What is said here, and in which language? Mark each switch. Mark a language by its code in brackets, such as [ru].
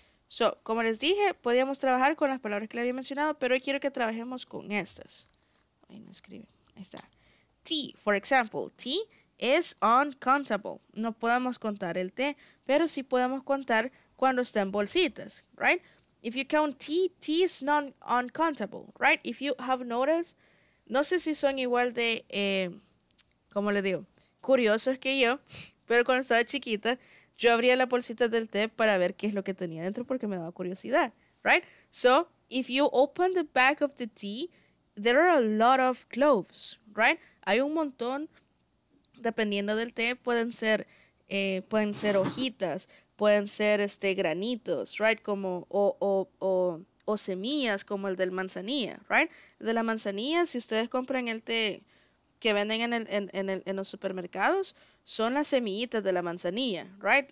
[es] So, como les dije, podíamos trabajar con las palabras que le había mencionado, pero hoy quiero que trabajemos con estas. Ahí no escribe. Ahí está. [en] Tea, for example. Tea is uncountable. [es] No podemos contar el té, pero sí podemos contar cuando está en bolsitas, right? [en] If you count tea, tea is not uncountable, right? If you have noticed, [es] no sé si son igual de, ¿cómo le digo? Curiosos que yo, pero cuando estaba chiquita, yo abría la bolsita del té para ver qué es lo que tenía dentro porque me daba curiosidad, right? [en] So, if you open the back of the tea, there are a lot of cloves, right? [es] Hay un montón, dependiendo del té, pueden ser hojitas, pueden ser granitos, right? Como o semillas como el del manzanilla, right? De la manzanilla, si ustedes compran el té que venden en los supermercados, son las semillitas de la manzanilla, right?